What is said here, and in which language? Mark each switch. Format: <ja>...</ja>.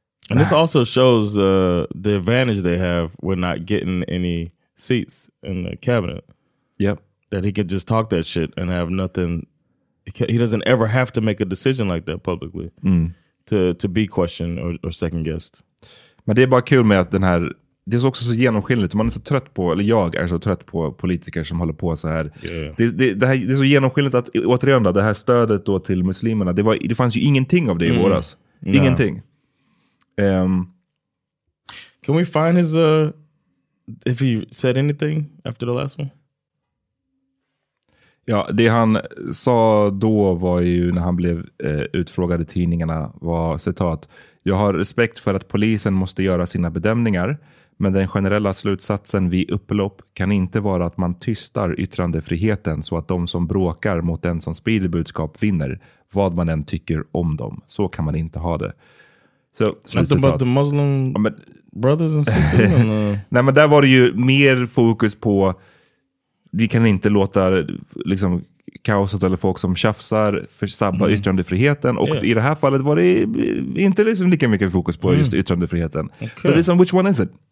<en>And this also shows the advantage they have with not getting any seats in the cabinet. Yep. That he could just talk that shit and have nothing. He doesn't ever have to make a decision like that publicly to be questioned or second-guessed.</en> <sv>Men det är bara kul med att den här, det är också så genomskinligt, man är så trött på, eller jag är så trött på politiker som håller på så här. Det här, det är så genomskinligt att, återigen då, det här stödet då till muslimerna, det fanns ju ingenting av det i våras. No. Ingenting.</sv> <en>Can we find his, if he said anything after the last one?</en> <sv>Ja, det han sa då var ju när han blev utfrågad i tidningarna, var citat: jag har respekt för att polisen måste göra sina bedömningar, men den generella slutsatsen vid upplopp kan inte vara att man tystar yttrandefriheten så att de som bråkar mot den som sprider budskap vinner, vad man än tycker om dem. Så kan man inte ha det. Så,</sv> <en>not about the Muslim brothers and sisters.</en> <sv>Nej, men där var det ju mer fokus på, vi kan inte låta liksom kaoset eller folk som tjafsar sabba yttrandefriheten. Och i det här fallet var det inte liksom lika mycket fokus på just yttrandefriheten.</sv> <en>Okay.</en> <sv>Så det är som,</sv> <en>which one is it?</en>